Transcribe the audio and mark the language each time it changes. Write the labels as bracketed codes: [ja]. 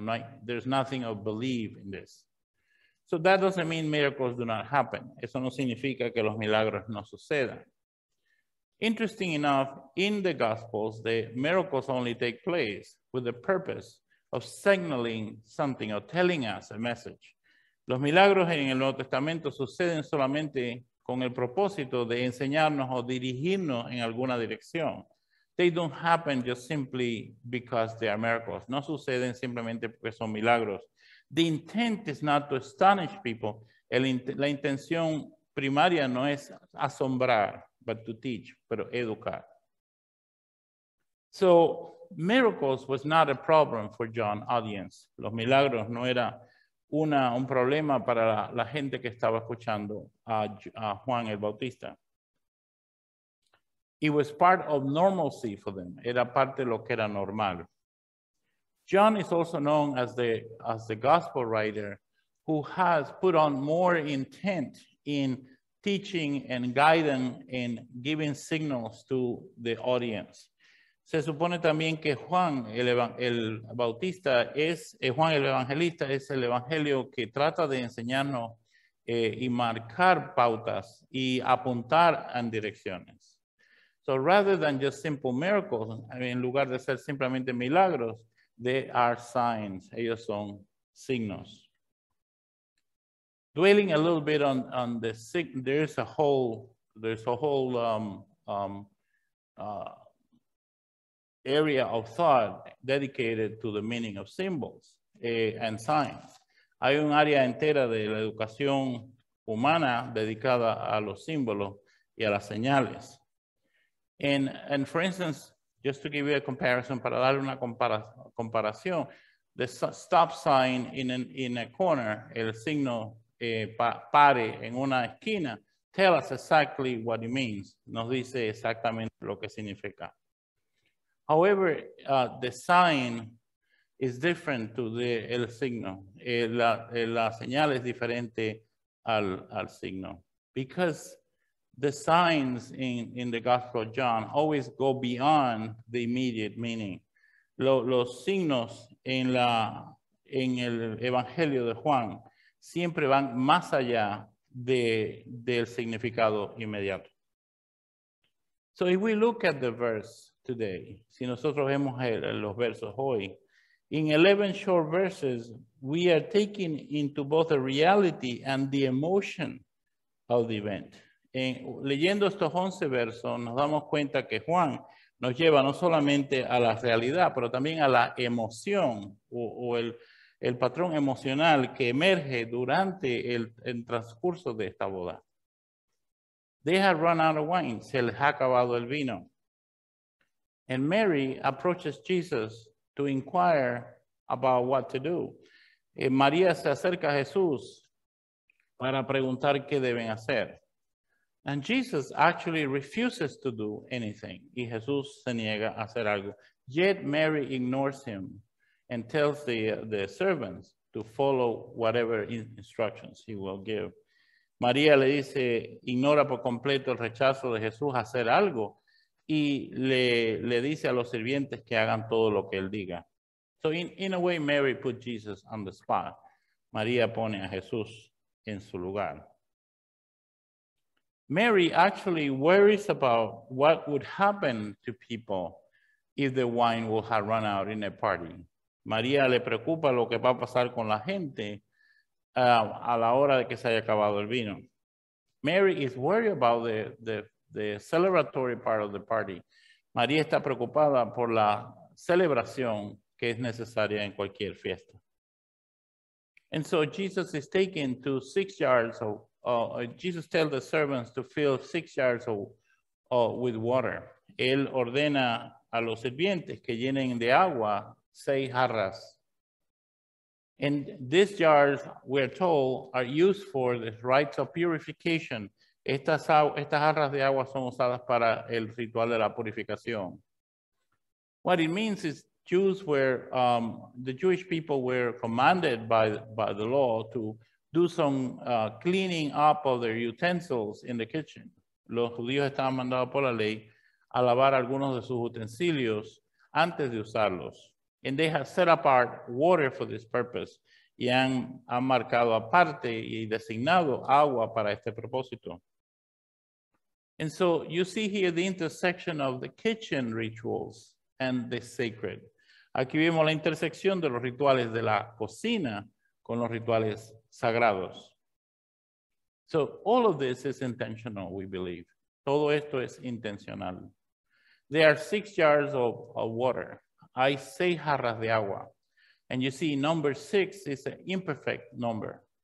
[es] No hay, [en] there's nothing of belief in this. So that doesn't mean miracles do not happen. [es] Eso no significa que los milagros no sucedan. [en] Interesting enough, in the Gospels, the miracles only take place with the purpose of signaling something or telling us a message. [es] Los milagros en el Nuevo Testamento suceden solamente con el propósito de enseñarnos o dirigirnos en alguna dirección. [en] They don't happen just simply because they are miracles. [es] No suceden simplemente porque son milagros. [en] The intent is not to astonish people. [es] La intención primaria no es asombrar, [en] but to teach, [es] pero educar. [en] So, miracles was not a problem for John's audience. [es] Los milagros no era un problema para la gente que estaba escuchando a Juan el Bautista. [en] It was part of normalcy for them. [es] Era parte de lo que era normal. [en] John is also known as the gospel writer who has put on more intent in teaching and guiding and giving signals to the audience. [es] Se supone también que Juan el Evangelista es el evangelio que trata de enseñarnos y marcar pautas y apuntar en direcciones. [en] So rather than just simple miracles, [es] en lugar de ser simplemente milagros, [en] they are signs, [es] ellos son signos. [en] Dwelling a little bit on the sign, area of thought dedicated to the meaning of symbols and signs. [es] Hay un área entera de la educación humana dedicada a los símbolos y a las señales. [en] And for instance, just to give you a comparison, [es] para dar una comparación, [en] the stop sign in a corner, [es] el signo pare en una esquina, [en] tell us exactly what it means. [es] Nos dice exactamente lo que significa. [en] However, the sign is different to [es] el signo. La señal es diferente al signo. [en] Because the signs in the Gospel of John always go beyond the immediate meaning. [es] Los signos en el Evangelio de Juan siempre van más allá del significado inmediato. [en] So if we look at the verse today, [es] si nosotros vemos los versos hoy, [en] in 11 short verses, we are taking into both the reality and the emotion of the event. [es] Leyendo estos 11 versos, nos damos cuenta que Juan nos lleva no solamente a la realidad, pero también a la emoción o el patrón emocional que emerge durante el transcurso de esta boda. [en] They have run out of wine, [es] se les ha acabado el vino. [en] And Mary approaches Jesus to inquire about what to do. [es] María se acerca a Jesús para preguntar qué deben hacer. [en] And Jesus actually refuses to do anything. [es] Y Jesús se niega a hacer algo. [en] Yet Mary ignores him and tells the servants to follow whatever instructions he will give. [es] María le dice, ignora por completo el rechazo de Jesús a hacer algo. Y le dice a los sirvientes que hagan todo lo que él diga. [en] So in a way, Mary put Jesus on the spot. [es] María pone a Jesús en su lugar. [en] Mary actually worries about what would happen to people if the wine will have run out in a party. [es] María le preocupa lo que va a pasar con la gente a la hora de que se haya acabado el vino. [en] Mary is worried about the celebratory part of the party. [es] María está preocupada por la celebración que es necesaria en cualquier fiesta. [en] And so Jesus is taken to 6 yards of, Jesus tells the servants to fill 6 yards with water. [es] Él ordena a los sirvientes que llenen de agua 6 jarras. [en] And these jars, we are told, are used for the rites of purification. [es] Estas jarras de agua son usadas para el ritual de la purificación. [en] What it means is Jews were, the Jewish people were commanded by the law to do some cleaning up of their utensils in the kitchen. [es] Los judíos estaban mandados por la ley a lavar algunos de sus utensilios antes de usarlos. [en] And they have set apart water for this purpose. [es] Y han marcado aparte y designado agua para este propósito. [en] And so you see here the intersection of the kitchen rituals and the sacred. [es] Aquí vemos la intersección de los rituales de la cocina con los rituales sagrados. [en] So all of this is intentional, we believe. [es] Todo esto es intencional. [en] There are 6 jars of water. [es] Hay 6 jarras de agua. [en] And you see number 6 is an imperfect number.